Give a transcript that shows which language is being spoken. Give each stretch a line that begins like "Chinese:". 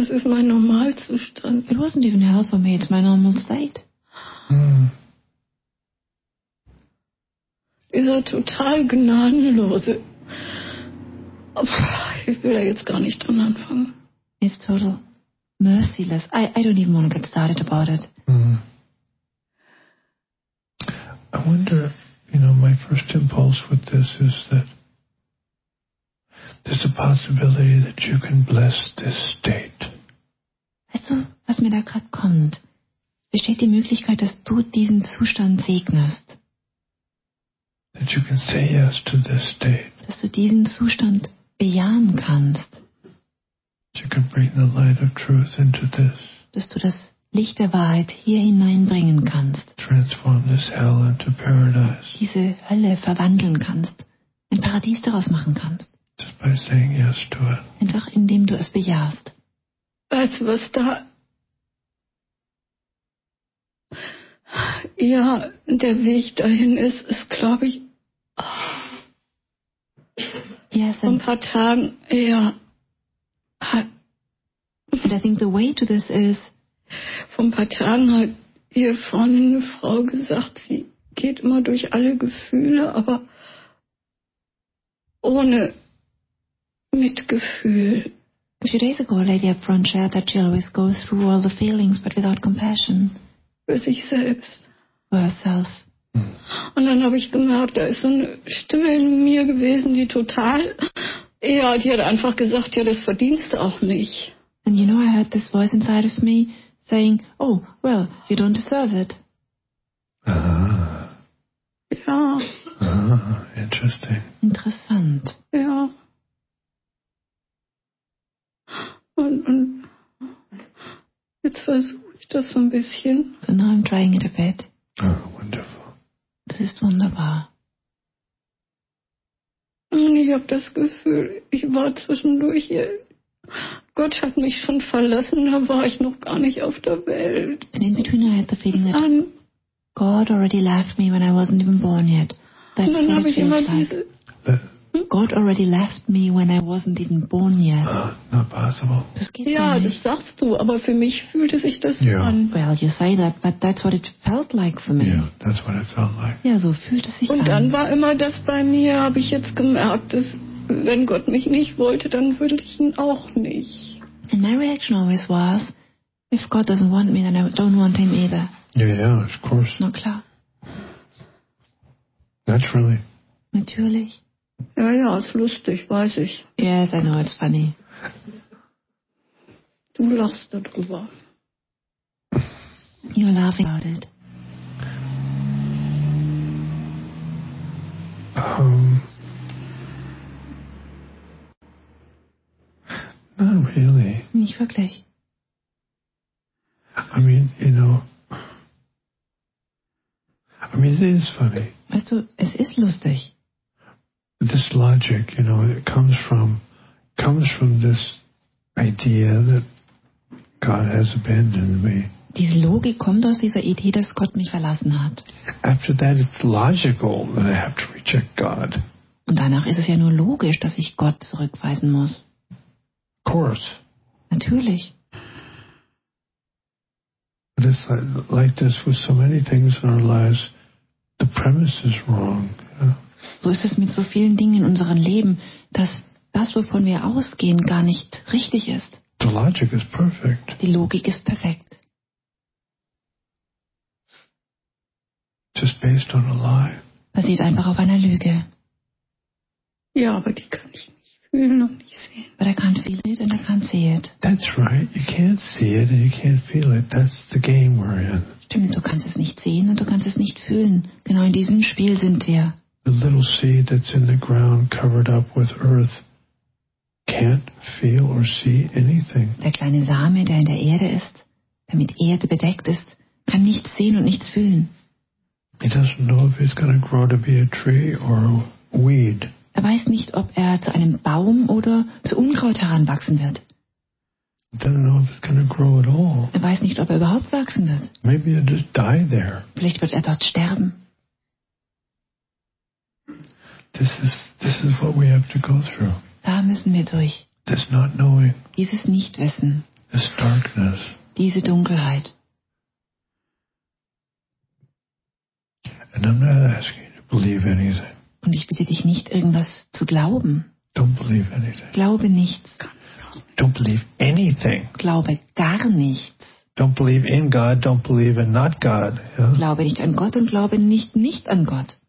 German: Es ist mein Normalzustand.
English: It wasn't even hell for me. It's my normal state.
German: Dieser total gnadenlose. Ich will da jetzt gar nicht dran anfangen.
English: It's total merciless. I don't even want to get started about it. Mm. I wonder, you know, my first impulse with this is that there's a possibility that you can bless this state.
German: Weißt du, was mir da gerade kommt? Besteht die Möglichkeit, dass du diesen Zustand segnest?
English: That you can say yes to this state.
German: Dass du diesen Zustand bejahen kannst.
English: That you can bring the light of truth into this.
German: Dass du das Licht der Wahrheit hier hineinbringen kannst.
English: Transform this hell into paradise.
German: Diese Hölle verwandeln kannst. Ein Paradies daraus machen kannst.
English: Just by saying yes to it.
German: Einfach indem du es bejahst. Weißt du, was da... Ja, der Weg dahin ist glaube ich,
English: yes,
German: ein paar Tagen, ja.
English: And I think the way to this is,
German: vor ein paar Tagen hat hier vorne eine Frau gesagt, sie geht immer durch alle Gefühle, aber ohne Mitgefühl.
English: A few days ago, a lady up front shared that she always goes through all the feelings, but without compassion.
German: Für sich selbst.
English: For herself.
German: Und dann habe ich gemerkt, da ist so eine Stimme in mir gewesen, die total, ja, die hat einfach gesagt, ja, das verdienst du auch nicht.
English: And you know, I heard this voice inside of me saying, oh, well, you don't deserve it. Ah.
German: Ja.
English: Ah, interesting.
German: Interessant. Ja. Und jetzt versuche ich das so ein bisschen.
English: So now I'm trying it a bit. Oh, wonderful.
German: Das ist wunderbar. Und ich habe das Gefühl, ich war zwischendurch hier. Gott hat mich schon verlassen, da war ich noch gar nicht auf der Welt.
English: And in between I had the feeling that God already left me when I wasn't even born yet. That's what it feels like. God already left me when I wasn't even born yet. Not possible.
German: Das geht ja, nicht. Das sagst du, aber für mich fühlte sich das yeah. an.
English: Well, you say that, but that's what it felt like for me. Yeah, that's what it felt like.
German: Ja, so fühlte sich und an. Dann war immer das bei mir, habe ich jetzt gemerkt, dass wenn Gott mich nicht wollte, dann würde ich ihn auch nicht.
English: And my reaction always was, if God doesn't want me, then I don't want him either. Yeah, of course.
German: Na klar.
English: Naturally.
German: Natürlich. Ja, ja, ist lustig, weiß ich.
English: Yes, I know, it's funny.
German: Du lachst darüber.
English: You're laughing about it. Not really.
German: Nicht wirklich.
English: I mean, it is funny.
German: Weißt du, es ist lustig.
English: This logic, you know, it comes from this idea that God has abandoned me.
German: Diese Logik kommt aus dieser Idee, dass Gott mich verlassen hat.
English: After that, it's logical that I have to reject God.
German: Und danach ist es ja nur logisch, dass ich Gott zurückweisen muss.
English: Of course.
German: Natürlich.
English: But it's like this with so many things in our lives, the premise is wrong. You know?
German: So ist es mit so vielen Dingen in unserem Leben, dass das, wovon wir ausgehen, gar nicht richtig ist.
English: The logic is perfect.
German: Die Logik ist perfekt.
English: Just based on a lie.
German: Basiert einfach auf einer Lüge. Ja, aber die kann ich nicht fühlen und nicht sehen.
English: But I can't feel it and I can't see it. That's right. You can't see it and you can't feel it. That's the game we're in.
German: Stimmt, du kannst es nicht sehen und du kannst es nicht fühlen. Genau in diesem Spiel sind wir.
English: The little seed that's in the ground covered up with earth can't feel or see anything.
German: Der kleine Same, der in der Erde ist, der mit Erde bedeckt ist, kann nichts sehen und nichts fühlen.
English: He doesn't know if he's going to grow to be a tree or a weed.
German: Er weiß nicht, ob er zu einem Baum oder zu Unkraut heranwachsen wird.
English: He doesn't know if it's going to grow at all.
German: Er weiß nicht, ob er überhaupt wachsen wird.
English: Maybe he'll just die there.
German: Vielleicht wird er dort sterben.
English: This is what we have to go through.
German: Da müssen wir durch.
English: This not knowing.
German: Dieses Nichtwissen.
English: This darkness.
German: Diese Dunkelheit.
English: And I'm not asking you to believe anything.
German: Und ich bitte dich nicht, irgendwas zu glauben.
English: Don't believe anything.
German: Glaube nichts.
English: Don't believe anything.
German: Glaube gar nichts.
English: Don't believe in God, don't believe in not God. Yeah?
German: Glaube nicht an Gott und glaube nicht nicht an Gott.